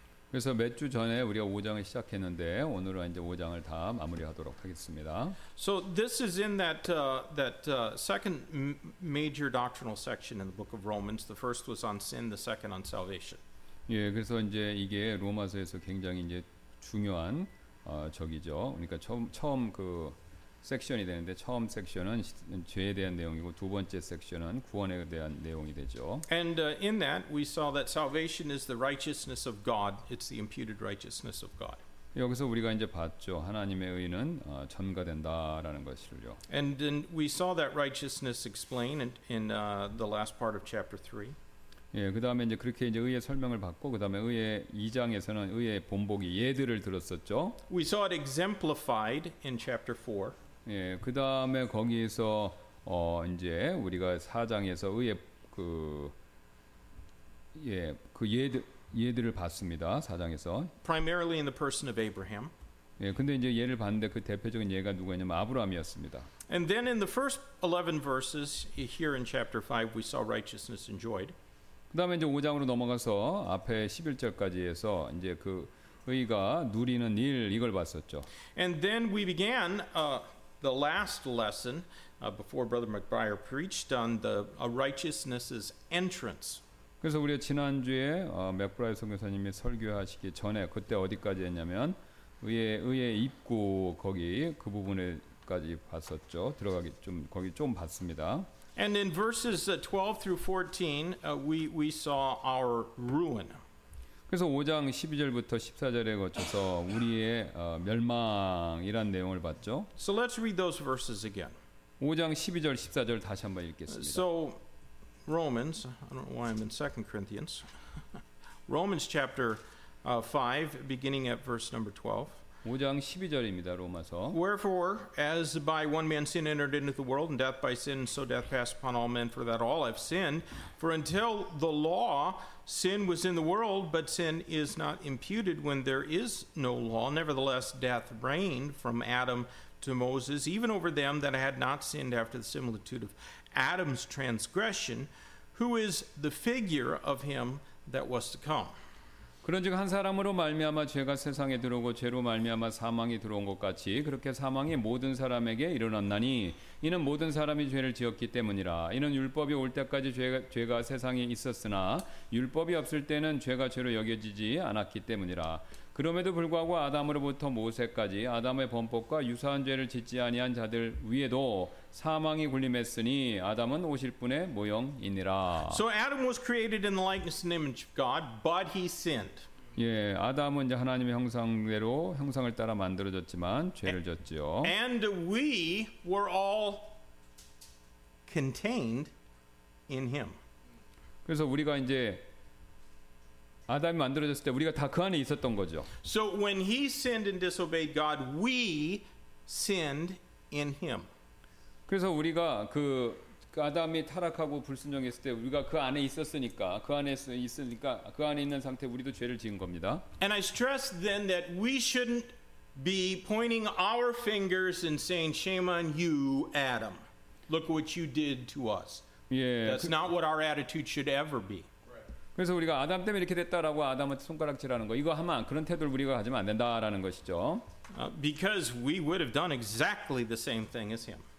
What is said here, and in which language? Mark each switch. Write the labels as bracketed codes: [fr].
[ko] 그래서 몇 주 전에 우리가 5장을 시작했는데 오늘은 이제 5장을 다 마무리하도록 하겠습니다. [en] So this is in that second major doctrinal section in the book of Romans. The first was on sin. The second on salvation. [ko] 예, 그래서 이제 이게 로마서에서 굉장히 이제 중요한 적이죠. 그러니까 처음 그 섹션이 되는데 처음 섹션은 죄에 대한 내용이고 두 번째 섹션은 구원에 대한 내용이 되죠. [en] And in that we saw that salvation is the righteousness of God. It's the imputed righteousness of God. [ko] 여기서 우리가 이제 봤죠. 하나님의 의는 전가된다라는 것을요. [en] And then we saw that righteousness explained in the last part of chapter 3. [ko] 예, 그다음에 이제 그렇게 이제 의의 설명을 받고 그다음에 의의 2장에서는 의의 본보기 예들을 들었었죠. [en] We saw it exemplified in chapter 4. [ko] 예, 그다음에 거기에서 이제 우리가 4장에서 의의 예들을 봤습니다. 4장에서. [en] Primarily in the person of Abraham. [ko] 예, 근데 이제 예를 봤는데 그 대표적인 예가 누구였냐면 아브라함이었습니다. [en] And then in the first 11 verses here in chapter 5 we saw righteousness enjoyed. [ko] 그다음에 이제 5장으로 넘어가서 앞에 11절까지에서 이제 그 의가 누리는 일 이걸 봤었죠. [en] And then we began the last lesson before Brother McBriar preached on the righteousness's entrance. [ko] 그래서 우리가 지난주에 맥브라이어 선교사님이 설교하시기 전에 그때 어디까지 했냐면 의의 입구 거기 그 부분에까지 봤었죠. 들어가기 좀 거기 좀 봤습니다. [en] And in verses 12 through 14, we saw our ruin. [ko] 그래서 5장 12절부터 14절에 거쳐서 우리의 멸망이란 내용을 봤죠. [en] So let's read those verses again. [ko] 5장 12절 14절 다시 한번 읽겠습니다. [en] So Romans, I don't know why I'm in 2 Corinthians. Romans chapter 5, beginning at verse number 12. [ko] 5장 12절입니다. 로마서. [en] Wherefore, as by one man sin entered into the world, and death by sin, so death passed upon all men, for that all have sinned. For until the law, sin was in the world, but sin is not imputed when there is no law. Nevertheless, death reigned from Adam to Moses, even over them that had not sinned after the similitude of Adam's transgression, who is the figure of him that was to come. [ko] 그런즉 한 사람으로 말미암아 죄가 세상에 들어오고 죄로 말미암아 사망이 들어온 것 같이 그렇게 사망이 모든 사람에게 일어났나니 이는 모든 사람이 죄를 지었기 때문이라 이는 율법이 올 때까지 죄가 세상에 있었으나 율법이 없을 때는 죄가 죄로 여겨지지 않았기 때문이라 그럼에도 불구하고 아담으로부터 모세까지 아담의 범법과 유사한 죄를 짓지 아니한 자들 위에도 사망이 군림했으니 아담은 오실 분의 모형이니라. [en] So Adam was created in the likeness and image of God, but he sinned. [ko] 예, 아담은 이제 하나님의 형상대로 형상을 따라 만들어졌지만 죄를 졌지요. [en] And we were all contained in him. [ko] 그래서 우리가 이제 아담이 만들어졌을 때 우리가 다 그 안에 있었던 거죠. [en] So when he sinned and disobeyed God, we sinned in him. [ko] 그래서 우리가 그 아담이 타락하고 불순종했을 때 우리가 그 안에 있었으니까 그 안에 있으니까 그 안에 있는 상태 우리도 죄를 지은 겁니다. [en] And I stress then that we shouldn't be pointing our fingers and saying shame on you, Adam. Look what you did to us. Yeah. That's not what our attitude should ever be. [ko] 그래서 우리가 아담 때문에 이렇게 됐다라고 아담한테 손가락질하는 거 이거 하면 안, 그런 태도를 우리가 가지면 안 된다라는 것이죠. [en] Because we would have done exactly the same thing as him.